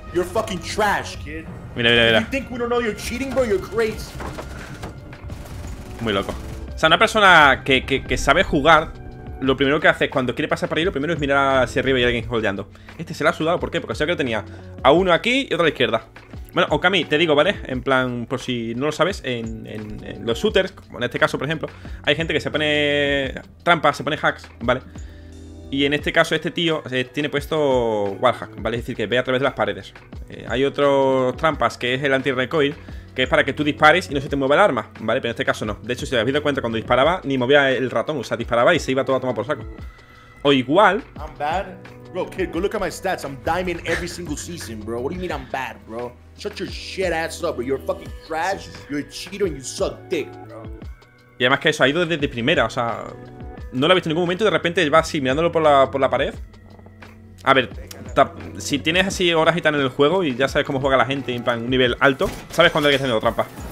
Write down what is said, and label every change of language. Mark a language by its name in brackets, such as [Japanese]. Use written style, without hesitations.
[English] You're fucking trash, kid. [Spanish] Mira, mira, mira. [English] You think we don't know you're cheating, bro? You're crazy. [Spanish] Muy loco. O sea, una persona que sabe jugar, lo primero que hace es cuando quiere pasar por ahí, lo primero es mirar hacia arriba y hay alguien holdeando. Este se le ha sudado, ¿por qué? Porque sabía que lo tenía a uno aquí y otro a la izquierda. Bueno, Okami, te digo, ¿vale? En plan, por si no lo sabes, en los shooters, como en este caso, por ejemplo, hay gente que se pone trampas, se pone hacks, ¿vale? Y en este caso, este tío tiene puesto wallhack, ¿vale? Es decir, que ve a través de las paredes. Hay otros trampas, que es el anti-recoil, que es para que tú dispares y no se te mueva el arma, ¿vale? Pero en este caso no. De hecho, si te habéis dado cuenta, cuando disparaba, ni movía el ratón. O sea, disparaba y se iba todo a tomar por saco. O igual... [English] I'm bad. Bro, kid, go look at my stats. I'm diamond every single season, bro. What do you mean I'm bad, bro? Shut your shit ass up, bro. You're fucking trash, you're a cheater, and you suck dick, bro. [Spanish] Y además que eso, ha ido desde primera, o sea... No lo ha visto en ningún momento y de repente va así, mirándolo por la pared. A ver, si tienes así horas y tan en el juego y ya sabes cómo juega la gente en plan nivel alto, sabes cuándo hay que hacer trampa.